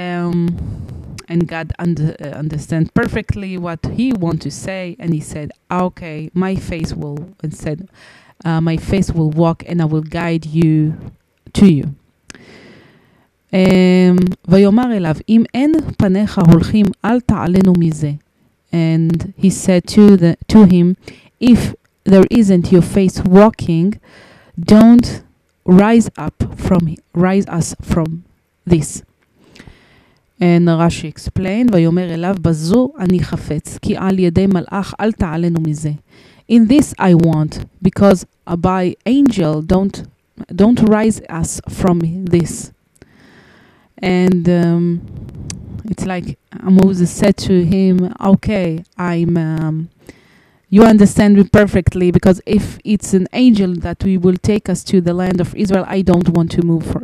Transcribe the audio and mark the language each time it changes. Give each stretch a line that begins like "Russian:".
English: And God understand perfectly what he want to say. And he said, okay, my face will, and said, my face will walk and I will guide you to you.
Hebrew: ויאמר אליו, אם אין פניך הולכים, אל תעלנו מזה.
English: And he said to him, if there isn't your face walking, don't rise us from this. And Rashi explained,
Hebrew: ויאמר אליו, בזו אני חפץ, כי על ידי מלאך אל תעלנו מזה.
English: In this I want, because by angel don't rise us from this. And it's like Moses said to him, okay, I'm You understand me perfectly, because if it's an angel that we will take us to the land of Israel, I don't want to move.